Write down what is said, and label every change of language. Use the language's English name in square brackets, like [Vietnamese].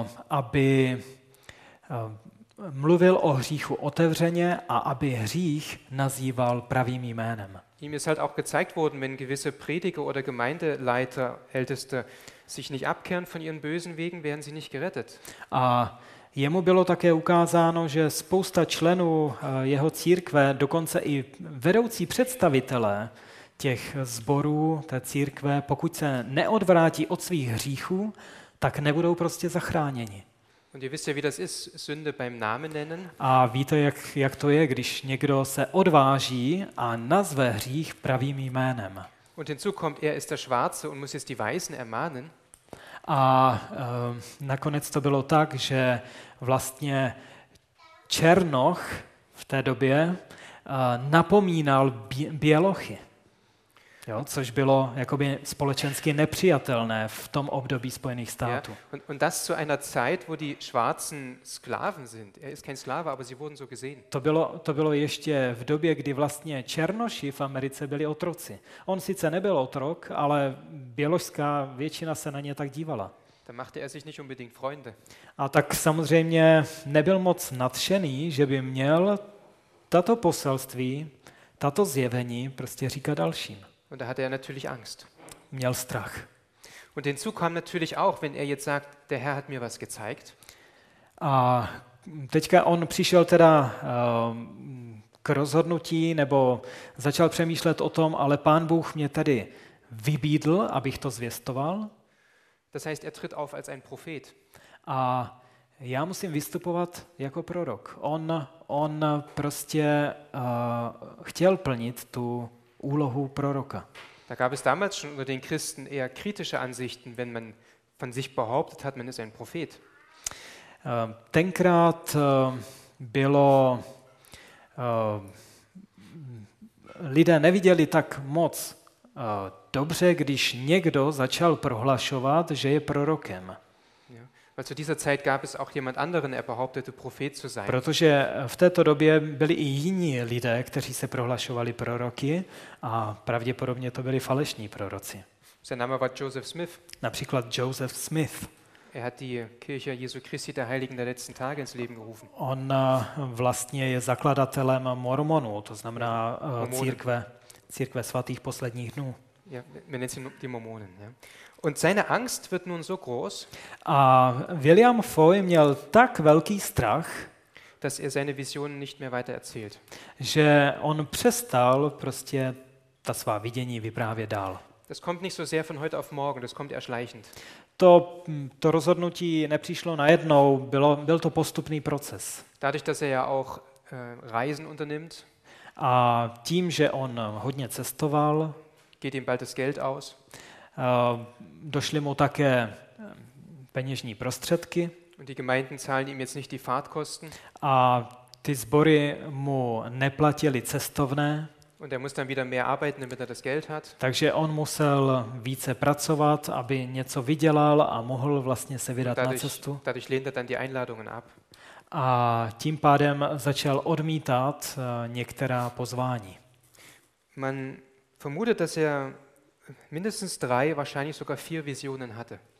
[Czech] Aby mluvil o hříchu otevřeně a aby hřích nazýval pravým jménem. [German] Ihm ist halt auch gezeigt worden, wenn gewisse Prediger oder Gemeindeleiter, Älteste, sich nicht abkehren von ihren bösen Wegen, werden sie nicht gerettet. [Czech] A jemu bylo také ukázáno, že spousta členů jeho církve, dokonce i vedoucí představitelé těch sborů, té církve, pokud se neodvrátí od svých hříchů, tak nebudou prostě zachráněni. [German] Und ihr wisst ja, wie das ist, Sünde beim Namen nennen. [Czech] A víte, jak to je, když někdo se odváží a nazve hřích pravým jménem. [German] Und hinzu kommt, er ist der Schwarze und muss jetzt die Weißen ermahnen. [Czech] A nakonec to bylo tak, že vlastně Černoch v té době napomínal Bělochy. Jo, což bylo jakoby společensky nepřijatelné v tom období Spojených států. [German] Ja, und das zu einer Zeit, wo die schwarzen Sklaven sind. Er ist kein Sklave, aber sie wurden so gesehen. [Czech] To bylo ještě v době, kdy vlastně černoši v Americe byli otroci. On sice nebyl otrok, ale běložská většina se na ně tak dívala. [German] Da machte er sich nicht unbedingt Freunde. [Czech] A tak samozřejmě nebyl moc nadšený, že by měl tato poselství, tato zjevení prostě říkat dalším. [German] Und da hatte er natürlich Angst. [Czech] Měl strach. [German] Und hinzu kam natürlich auch, wenn er jetzt sagt, der Herr hat mir was gezeigt. [Czech] A teďka on přišel teda k rozhodnutí, nebo začal přemýšlet o tom, ale Pán Bůh mě tady vybídl, abych to zvěstoval. [German] Das heißt, er tritt auf als ein Prophet. [Czech] A já musím vystupovat jako prorok. On prostě chtěl plnit tu úlohu proroka. [German] Da gab es damals schon unter den Christen eher kritische Ansichten, wenn man von sich behauptet hat, man ist ein Prophet. [Czech] Tenkrát bylo lidé neviděli tak moc dobře, když někdo začal prohlašovat, že je prorokem. [German] Weil zu dieser Zeit gab es auch jemand anderen, er behauptete Prophet zu sein. [Czech] Protože v této době byli i jiní lidé, kteří se prohlašovali proroky, a pravděpodobně to byli falešní proroci. [German] Sein Name war Joseph Smith. [Czech] Například Joseph Smith. [German] Er hat die Kirche Jesu Christi der Heiligen der letzten Tage ins Leben gerufen. [Czech] On vlastně je zakladatelem Mormonů, to znamená církve svatých posledních dnů. [German] Ja, wir nennen sie die Mormonen. Ja. Und seine Angst wird nun so groß. [Czech] A William Foy měl tak velký strach, [German] dass er seine Visionen nicht mehr weiter erzählt. [Czech] Že on přestal prostě ta svá vidění vyprávět dál. [German] Das kommt nicht so sehr von heute auf morgen, das kommt erschleichend. [Czech] To rozhodnutí nepřišlo najednou, byl to postupný proces. [German] Dadurch, dass er ja auch Reisen unternimmt. [Czech] A tím, že on hodně cestoval, [German] geht ihm bald das Geld aus. [Czech] Došly mu také peněžní prostředky. [German] Und die Gemeinden zahlen ihm jetzt nicht die Fahrtkosten. [Czech] A ty sbory mu neplatili cestovné. [German] Und er muss dann wieder mehr arbeiten, damit er das Geld hat. [Czech] Takže on musel více pracovat, aby něco vydělal a mohl vlastně se vydat na cestu. [German] Dadurch lehnt er dann die Einladungen ab. [Czech] A tím pádem začal odmítat některá pozvání. [German] Man vermutet, dass er mindestens 3, wahrscheinlich sogar 4 Visionen hatte.